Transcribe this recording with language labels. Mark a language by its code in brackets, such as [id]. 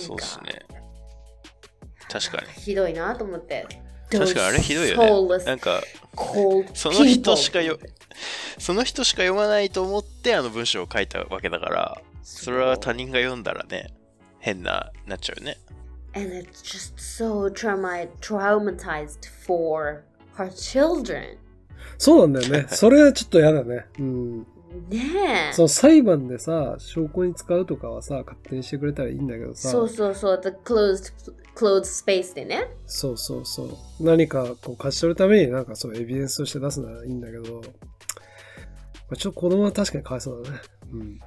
[ja] そうっすね、確かにひどいなと思って。確かにあれひどいよね、なんかその人しかその人しか読まないと思ってあの文章を書いたわけだから、それは他人が読んだらね、変ななっちゃうね。 [en] And it's just so traumatized for her children. [ja] そうなんだよね。それはちょっとやだね。うん。ねえ。そう、裁判でさ、証拠に使うとかはさ、勝手にしてくれたらいいんだけどさ。そうそうそう。 [en] The closed space [ja] でね。そうそうそう。何かこう貸し取るためになんかそうエビデンスとして出すならいいんだけど、まあ、ちょっと子供は確かにかわいそうだね。うん。